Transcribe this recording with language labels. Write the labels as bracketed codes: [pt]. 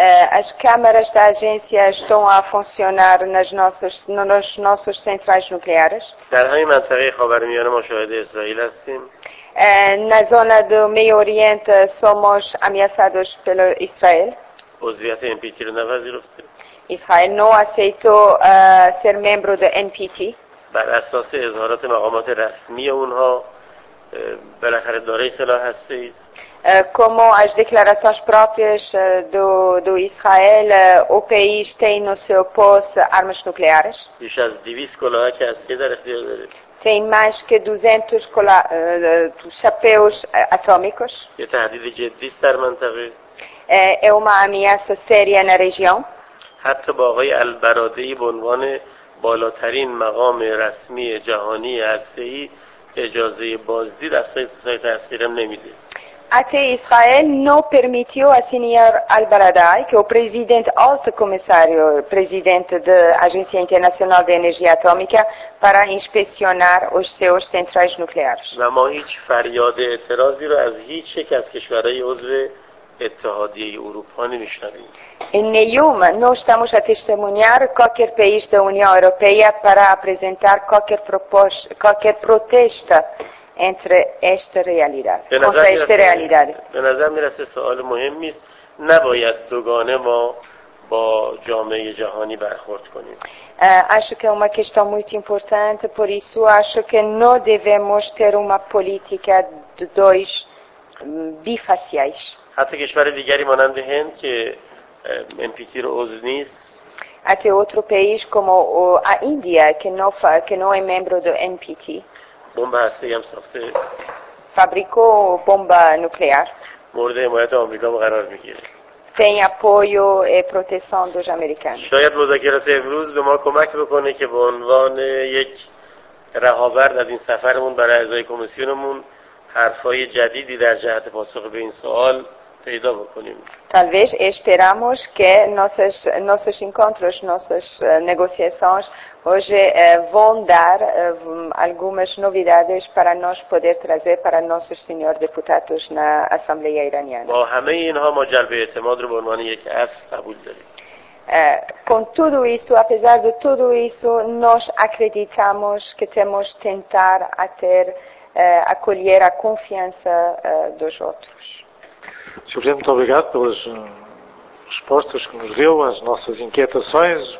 [pt] As câmaras da agência estão a funcionar nas nossas centrais nucleares. Na zona do Meio Oriente somos ameaçados pelo Israel. [fa] عضویت NPT رو نپذیرفته. [pt] اسرائیل نو اسیتو سر ممبر دو NPT. [fa] بر اساس اظهارات مقامات رسمی اونها بالاخره داره سلاح هسته‌ای. [pt] Como as declarações próprias do Israel, o país tem no seu posse armas nucleares. [fa] بیش از 200 کلاهک هسته‌ای در اختیار داره. [pt] Tem mais que 200 chapéus atômicos. [fa] یه تهدید جدی است در منطقه. [pt] É uma ameaça séria na região. [fa] حتی با آقای البرادعی به عنوان بالاترین مقام رسمی جهانی هسته‌ای اجازه بازدید از سایت هسته‌ای هم نمیده. [pt] Até Israel não permitiu a senhor Al-Baradei, que é o presidente, alto comissário, presidente da Agência Internacional de Energia Atômica, para inspecionar os seus centrais nucleares. [fa] و ما هیچ فریاد اعتراضی رو از هیچ یک از کشورهای عضو اتحادیه اروپا نمی‌شنویم. [pt] Nenhum, não estamos a testemunhar qualquer país da União Europeia para apresentar qualquer protesta entre esta realidade. Contra esta realidade. [fa] به نظر می‌رسه سوال مهمی است. نباید دوگانه ما با جامعه جهانی برخورد کنیم. [pt] Acho que é uma questão muito importante, por isso acho que não devemos ter uma política de dois bifaciais. [fa] حتی کشور دیگری مانند هند که NPT رو عضو نیست. [pt] Até outro país como a Índia que não é membro do NPT. [fa] بمب هسته‌ای هم ساخته. [pt] Fabricou bomba nuclear. [fa] مورد حمایت آمریکا قرار میگیره. [pt] Tem apoio e proteção dos americanos. [fa] شاید مذاکرات امروز به ما کمک بکنه که به عنوان یک رهاورد از این سفرمون برای اعضای کمیسیونمون حرفای جدیدی در جهت پاسخ به این سوال پیدا بکنیم. [pt] Talvez esperamos que nossos encontros, nossas negociações hoje vão dar algumas novidades para nós poder trazer para nossos senhores deputados na Assembleia Iraniana. [fa] با همه اینها ما جلب اعتماد رو به عنوان یک اصل قبول داریم. [pt] Com tudo isso, apesar de tudo isso, nós acreditamos que temos que tentar a ter acolher a confiança dos outros. Sr. Presidente, muito obrigado pelas respostas que nos deu, às nossas inquietações.